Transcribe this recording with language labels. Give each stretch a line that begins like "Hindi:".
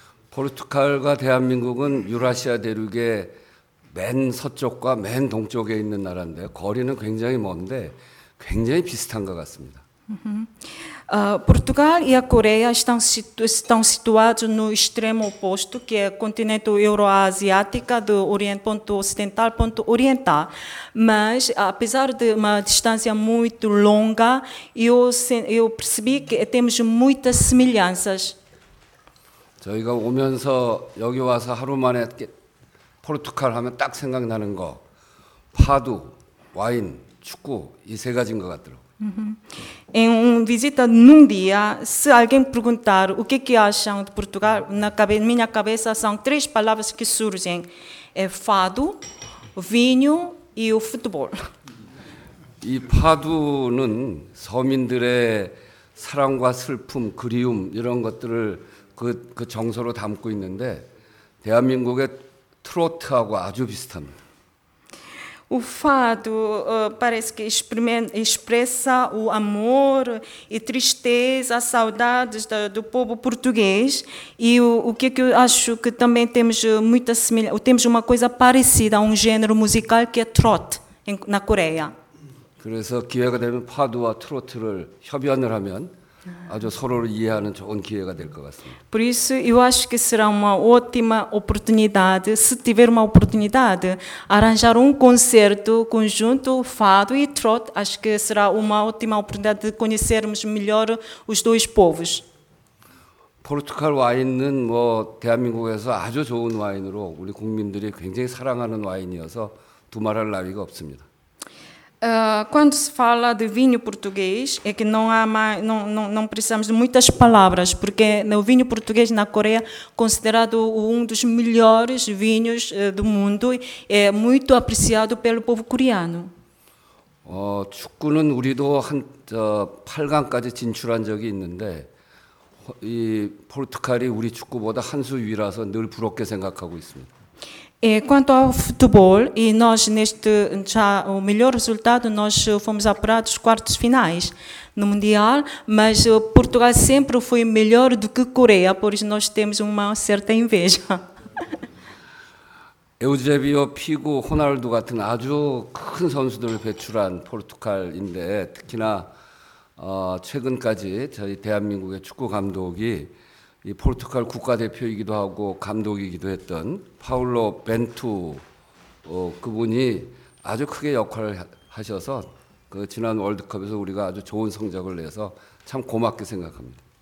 Korean: Portugal과 대한민국은 유라시아 대륙의 맨 서쪽과 맨 동쪽에 있는 나라인데 거리는 굉장히 먼데 굉장히 비슷한 것 같습니다.
Portuguese: Portugal e a Coreia estão situados no extremo oposto, que é o continente euroasiático do Oriente ponto ocidental ponto oriental. Mas, apesar de uma distância muito longa, eu percebi que temos muitas semelhanças.
Korean: 저희가 오면서 여기 와서 하루 만에 포르투갈 하면 딱 생각나는 거 파두, 와인, 축구 이 세 가지인 것 같더라고.
Portuguese: Em uma visita num dia, se alguém perguntar o que acham de Portugal, minha cabeça são 3 palavras que surgem: é fado, vinho e o futebol.
Korean: E fado는 서민들의 사랑과 슬픔, 그리움 이런 것들을 그 정서로 담고 있는데 대한민국의 트로트하고 아주 비슷합니다.
Portuguese: O fado parece que expressa o amor e tristeza, saudades do povo português. E o que eu acho que também temos muita semelhança, temos uma coisa parecida a um gênero musical que é trot na Coreia.
Korean: 그래서 기회가 되면 파두와 트로트를 협연을 하면 아주 서로를 이해하는 좋은 기회가 될 것 같습니다.
Portuguese: Por isso, eu acho que será uma ótima oportunidade, se tiver uma oportunidade, arranjar concerto conjunto, fado e trot, acho que será uma ótima oportunidade de conhecermos melhor os dois povos.
Korean: 포르투갈 와인은 뭐 대한민국에서 아주 좋은 와인으로 우리 국민들이 굉장히 사랑하는 와인이어서 두 말할 나위가 없습니다.
Portuguese: Quando se fala de vinho português, é que não há mais, não precisamos de muitas palavras, porque o vinho português na Coreia é considerado um dos melhores vinhos do mundo e é muito apreciado pelo povo coreano.
Korean: 축구는 우리도 한 8강까지 진출한 적이 있는데 이 포르투갈이 우리 축구보다 한 수 위라서 늘 부럽게 생각하고 있습니다.
Portuguese: E quanto ao futebol, e nós neste já o melhor resultado, nós fomos apurados os quartos finais no Mundial, mas Portugal sempre foi melhor do que Coreia, por isso nós temos uma certa inveja.
Korean: Eusébio, Figo, Ronaldo, 같은 아주 큰 선수들을 배출한 포르투갈인데, 특히나 최근까지 저희 대한민국의 축구 감독이 이 포르투갈 국가대표이기도 하고 감독이기도 했던 파울로 벤투 그분이 아주 크게 역할을 하셔서 그 지난 월드컵에서 우리가 아주 좋은 성적을 내서 참 고맙게 생각합니다.